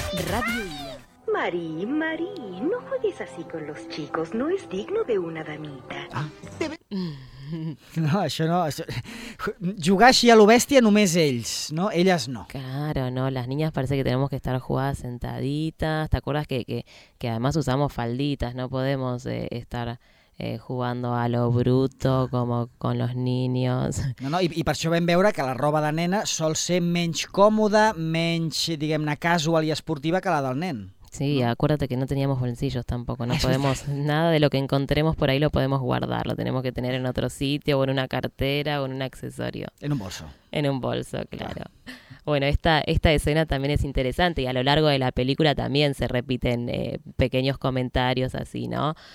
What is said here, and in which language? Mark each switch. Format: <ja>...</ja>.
<es>Radio Marí, Marí, no juegues así con los chicos, no es digno de una damita.</es> <ca>Ah, no, això no. Jugar així a lo bèstia només ells, no? Elles no.</ca> <es>Claro, no. Las niñas parece que tenemos que estar jugadas sentaditas. ¿Te acuerdas que además usamos falditas? No podemos estar jugando a lo bruto como con los niños.</es> <ca>No, i per això vam veure que la roba de nena sol ser menys còmoda, menys, diguem-ne, casual i esportiva que la del nen.</ca> <es>Sí, acuérdate que no teníamos bolsillos tampoco, no podemos, nada de lo que encontremos por ahí lo podemos guardar, lo tenemos que tener en otro sitio, o en una cartera, o en un accesorio. En un bolso. En un bolso, claro. Bueno, esta escena también es interesante y a lo largo de la película también se repiten pequeños comentarios así, ¿no?</es>